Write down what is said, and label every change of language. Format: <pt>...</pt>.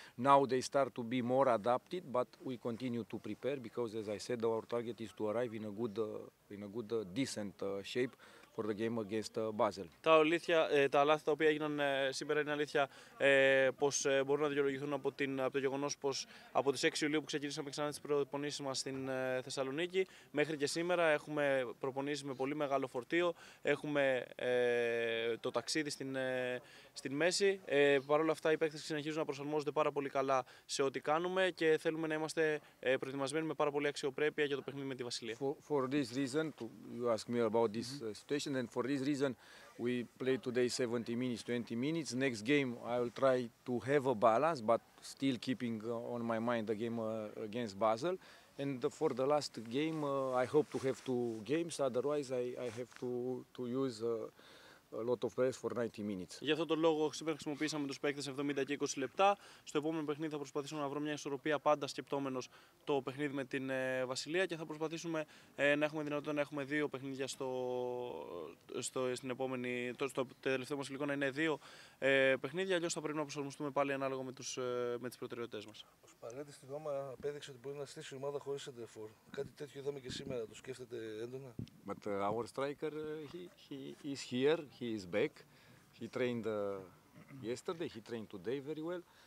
<en>Now they start to be more adapted, but we continue to prepare because, as I said, our target is to arrive in a decent shape for the game against Basel.</en> <el>Τα λάθη τα οποία έγιναν σήμερα είναι αλήθεια πως μπορούν να δικαιολογηθούν από το γεγονός πως από τις 6 Ιουλίου που ξεκινήσαμε ξανά τις προπονήσεις μας στην Θεσσαλονίκη μέχρι και σήμερα έχουμε προπονήσεις με πολύ μεγάλο φορτίο, έχουμε το ταξίδι στην μέση. Παρ' όλα αυτά οι παίκτες συνεχίζουν να προσαρμόζονται πάρα πολύ καλά σε ό,τι κάνουμε και θέλουμε να είμαστε προετοιμασμένοι με πάρα πολύ αξιοπρέπεια για το παιχνίδι με τη Βασιλεία.</el> <en>For this reason, you ask me about this situation, and for this reason, we play today 70 minutes, 20 minutes. Next game, I will try to have a balance, but still keeping on my mind the game against Basel. And for the last game, I hope to have two games, otherwise I have to use a lot of players for 90 minutes.</en> <el>Για αυτόν τον λόγο σήμερα χρησιμοποιήσαμε τους παίκτες 70 και 20 λεπτά. Στο επόμενο παιχνίδι θα προσπαθήσουμε να βρούμε μια ισορροπία πάντα σκεπτόμενος το παιχνίδι με την Βασιλεία και θα προσπαθήσουμε να έχουμε δυνατότητα να έχουμε δύο παιχνίδια στο τελευταίο μας υλικό να είναι δύο παιχνίδια. Αλλιώς θα πρέπει να προσαρμοστούμε πάλι ανάλογα με τις προτεραιότητες μας. Ο Σπαλέτης στην Ρώμα απέδειξε ότι μπορεί να στήσει ομάδα χωρίς σεντερφόρ. Κάτι τέτοιο είδαμε και σήμερα. Το σκέφτεται έντονα?</el> <en>But our striker, he is here. He is back. He trained yesterday. He trained today very well.</en>